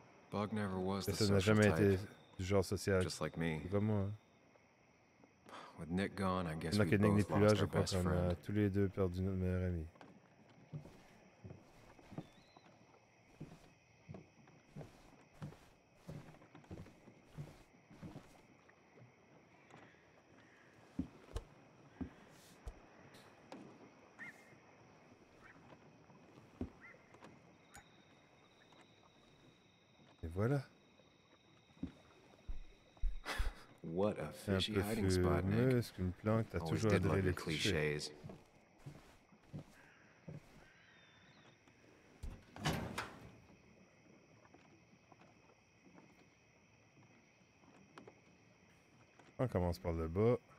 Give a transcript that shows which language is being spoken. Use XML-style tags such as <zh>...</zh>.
<en>Bug never was the social type.</en> <fr>Du genre social.</fr> <en>Just like me.</en> <fr>Comme moi.</fr> <en>With Nick gone, I guess we both lost our best friend.</en> <fr>Je crois qu'on a tous les deux perdu notre meilleur ami. Et voilà.</fr> <en>What a fishy hiding spot, Nick.</en> <fr>Est-ce qu'une planque t'a toujours adoré les clichés? On commence par le bas.</fr>